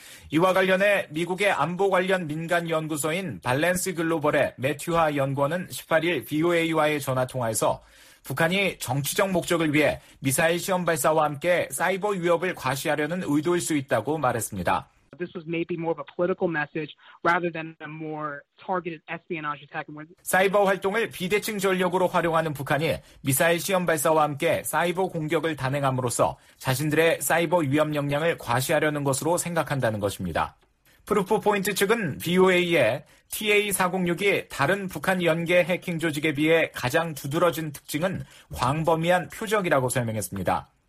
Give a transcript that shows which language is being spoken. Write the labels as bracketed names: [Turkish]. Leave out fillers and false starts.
[Korean] 이와 관련해 미국의 안보 관련 민간 연구소인 발렌스 글로벌의 매튜화 연구원은 18일 BOA와의 전화 통화에서 북한이 정치적 목적을 위해 미사일 시험 발사와 함께 사이버 위협을 과시하려는 의도일 수 있다고 말했습니다. [English] This was maybe more of a political message rather than a more targeted espionage attack. [Korean] 사이버 활동을 비대칭 전력으로 활용하는 북한이 미사일 시험 발사와 함께 사이버 공격을 단행함으로써 자신들의 사이버 위협 역량을 과시하려는 것으로 생각한다는 것입니다. 프루프 포인트 측은 BOA에 TA406이 다른 북한 연계 해킹 조직에 비해 가장 두드러진 특징은 광범위한 표적이라고 설명했습니다.